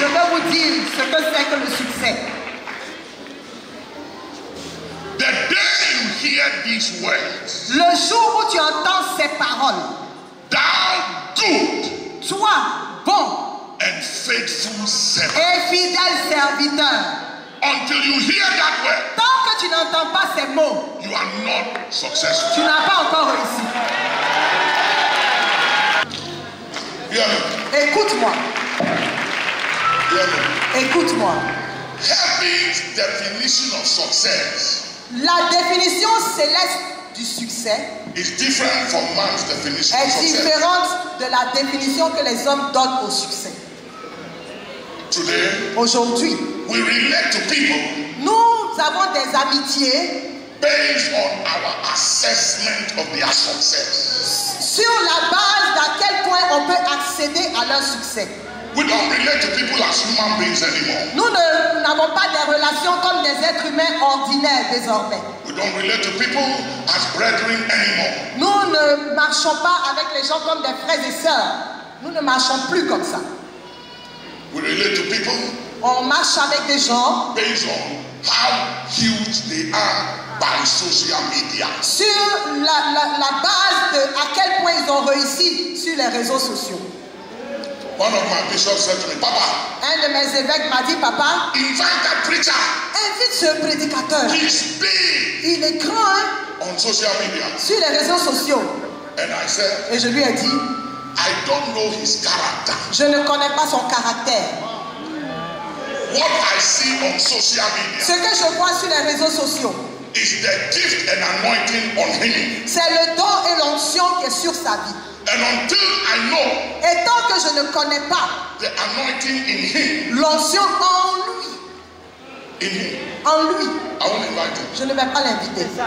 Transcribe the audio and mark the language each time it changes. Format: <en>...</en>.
<fr>Je vais vous dire ce que c'est que le succès.</fr> <en>The day you hear these words,</en> <fr>le jour où tu entends ces paroles,</fr> <en>thou good,</en> <fr>toi, bon,</fr> <en>and faithful servant,</en> <fr>et fidèle serviteur,</fr> <en>until you hear that word,</en> <fr>tant que tu n'entends pas ces mots,</fr> <en>you are not successful.</en> <fr>Tu n'as pas encore réussi.</fr> <en>Hear me.</en> <fr>Écoute-moi.</fr> <en>Hear me.</en> <fr>Écoute-moi.</fr> <en>Heaven's definition of success,</en> <fr>la définition céleste du succès,</fr> <en>is different from man's definition</en> <fr>est différente de la définition que les hommes donnent au succès.</fr> <en>Today,</en> <fr>aujourd'hui,</fr> <en>we relate to people,</en> <fr>nous avons des amitiés</fr> <en>based on our assessment of their success.</en> <fr>Sur la base d'à quel point on peut accéder à leur succès.</fr> <en>We don't relate to people as human beings anymore.</en> <fr>Nous n'avons pas des relations comme des êtres humains ordinaires désormais.</fr> <en>We don't relate to people as brethren anymore.</en> <fr>Nous ne marchons pas avec les gens comme des frères et sœurs. Nous ne marchons plus comme ça.</fr> <en>We relate to people.</en> <fr>On marche avec des gens</fr> <en>based on how huge they are by social media.</en> <fr>Sur la base de à quel point ils ont réussi sur les réseaux sociaux.</fr> <en>One of my bishops said to me, Papa,</en> <fr>un de mes évêques m'a dit, Papa,</fr> <en>invite that preacher.</en> <fr>Invite ce prédicateur.</fr> <en>He's big.</en> <fr>Il est grand. Hein?</fr> <en>On social media.</en> <fr>Sur les réseaux sociaux.</fr> <en>And I said,</en> <fr>et je lui ai dit,</fr> <en>I don't know his character.</en> <fr>Je ne connais pas son caractère.</fr> <en>What I see on social media,</en> <fr>ce que je vois sur les réseaux sociaux,</fr> <en>is the gift and anointing on him.</en> <fr>C'est le don et l'onction qui est sur sa vie.</fr> <en>And until I know,</en> <fr>et tant que je ne connais pas</fr> <en>the anointing in him,</en> <fr>l'onction en lui,</fr> <en>in him,</en> <fr>en lui,</fr> <en>I won't invite him.</en> <fr>Je ne vais pas l'inviter.</fr>